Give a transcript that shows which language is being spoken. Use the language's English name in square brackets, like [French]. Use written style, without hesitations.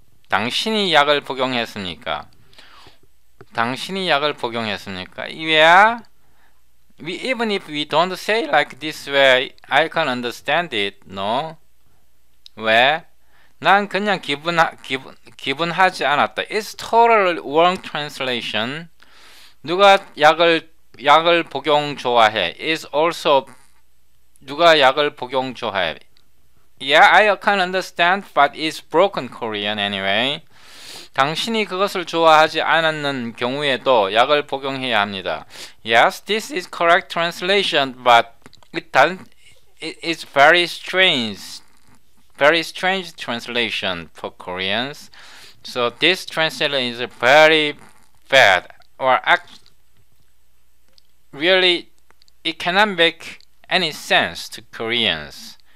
[Korean] 당신이 약을 복용했습니까? 당신이 약을 복용했습니까? [English] Yeah. Even if we don't say like this way, I can understand it. No. [Korean] 왜? 난 그냥 기분하지 않았다. [English] It's total wrong translation. [Korean] 누가 약을 복용 좋아해? [English] It's also [Korean] 누가 약을 복용 좋아해? [English] Yeah, I can understand, but it's broken Korean anyway. [Korean] 당신이 그것을 좋아하지 않았는 경우에도 약을 복용해야 합니다. [English] Yes, this is correct translation, but it's very strange translation for Koreans. So this translation is very bad, or really, it cannot make any sense to Koreans.